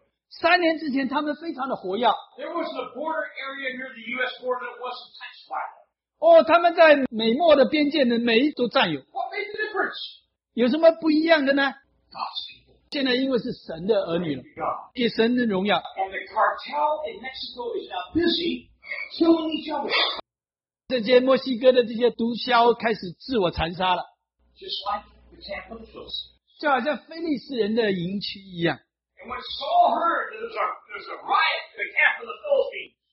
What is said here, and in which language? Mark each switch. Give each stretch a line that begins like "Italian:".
Chinese: 三年之前他们非常的活跃。哦，他们在美墨的边界的每一都占有。
English: What made the difference?
Chinese: 有什么不一样的呢？
English: God's people.
Chinese: 现在因为是神的儿女了，给神的荣耀。
English: And the cartel in Mexico is now busy killing each other.
Chinese: 这些墨西哥的这些毒枭开始自我残杀了。
English: Just like the Tampa's.
Chinese: 就好像菲利士人的营区一样。
English: And when Saul heard there's a riot in the camp of the Philistines.